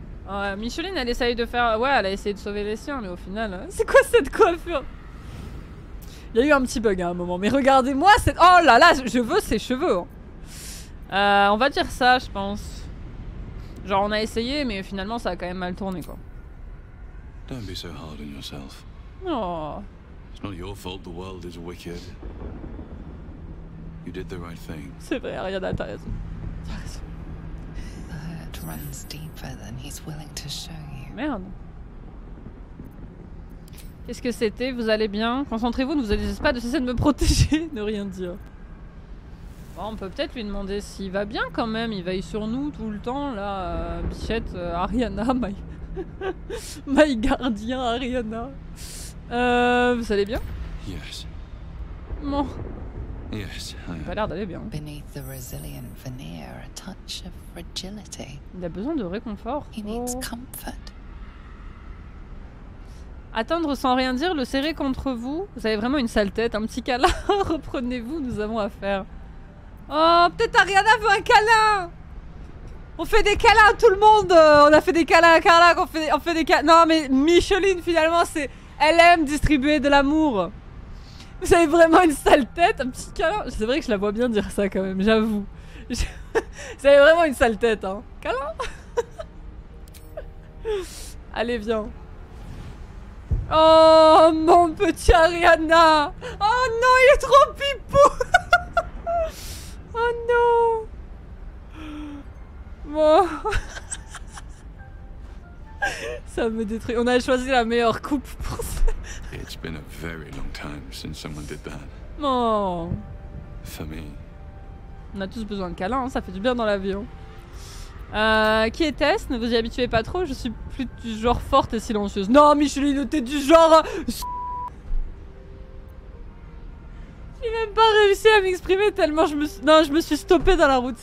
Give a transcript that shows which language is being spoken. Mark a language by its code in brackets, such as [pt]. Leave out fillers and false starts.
[fr] Ouais, Micheline, elle essaye de faire. Ouais, elle a essayé de sauver les siens, mais au final. C'est quoi cette coiffure? Il y a eu un petit bug à un moment, mais regardez-moi cette. Oh là là, je veux ses cheveux. Hein. On va dire ça, je pense. Genre, on a essayé, mais finalement, ça a quand même mal tourné, quoi. [en] Don't be so hard on yourself. Oh. It's not your fault the world is wicked. You did the right thing. [fr] C'est vrai, Ariana, t'as raison. [en] The hurt runs deeper than he's willing to show you. [fr] Merde. Qu'est-ce que c'était? Vous allez bien? Concentrez-vous, ne vous agissez pas de cesser de me protéger. Ne rien dire. On peut peut-être lui demander s'il va bien quand même, il veille sur nous tout le temps, là, Bichette, Ariana, my gardien, Ariana. Vous allez bien? [en] Yes. [fr] Bon. [en] Yes, [fr] I... Pas l'air d'aller bien. [en] Beneath the resilient veneer, a touch of fragility. [fr] Il a besoin de réconfort. Oh. [en] He needs comfort. [fr] Attendre sans rien dire, le serrer contre vous, vous avez vraiment une sale tête, un petit câlin, reprenez-vous, nous avons affaire. Oh, peut-être Ariana veut un câlin. On fait des câlins à tout le monde. On a fait des câlins à Carla, on fait des câlins. Non, mais Micheline, finalement, c'est... Elle aime distribuer de l'amour. Vous avez vraiment une sale tête, un petit câlin. C'est vrai que je la vois bien dire ça, quand même, j'avoue. Vous avez vraiment une sale tête, hein. Câlin. Allez, viens. Oh, mon petit Ariana. Oh non, il est trop pipou. Oh non! Bon. Ça me détruit. On a choisi la meilleure coupe pour ça. [en] It's been a very long time since someone did that. Bon. For me. [fr] On a tous besoin de câlins, hein. Ça fait du bien dans l'avion. Qui était-ce? Ne vous y habituez pas trop, je suis plus du genre forte et silencieuse. Non, Micheline, t'es du genre... J'ai même pas réussi à m'exprimer tellement je me suis... Non, je me suis stoppée dans la route.